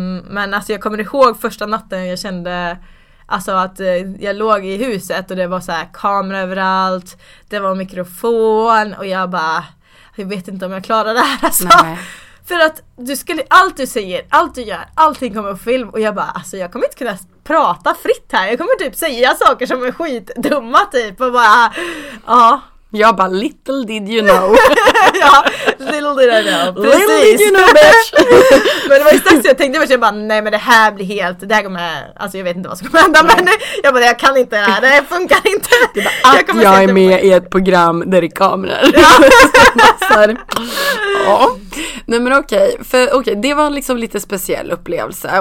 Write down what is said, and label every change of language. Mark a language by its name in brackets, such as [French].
[Swedish] Men alltså jag kommer ihåg första natten jag kände... Alltså att jag låg i huset och det var så här kamera överallt. Det var mikrofon och jag bara... Jag vet inte om jag klarar det här alltså. Nej. För att du skulle, allt du säger, allt du gör, allting kommer på film. Och jag bara, alltså jag kommer inte kunna prata fritt här. Jag kommer typ säga saker som är skitdumma typ. Och bara, ja. Jag bara, [English] little did you know. [Swedish] Ja, [English] little did I know. [Swedish] Precis. [English] Little did you know, bitch. [Swedish] Men det var ju strax jag tänkte, jag bara, nej men det här blir helt, det här kommer, alltså jag vet inte vad som kommer hända. Nej. Men jag bara, jag kan inte det här, det här funkar inte. Bara, att jag är med i ett program där det är kameror. Ja. Ja. Nej men okej, för okej, det var liksom lite speciell upplevelse.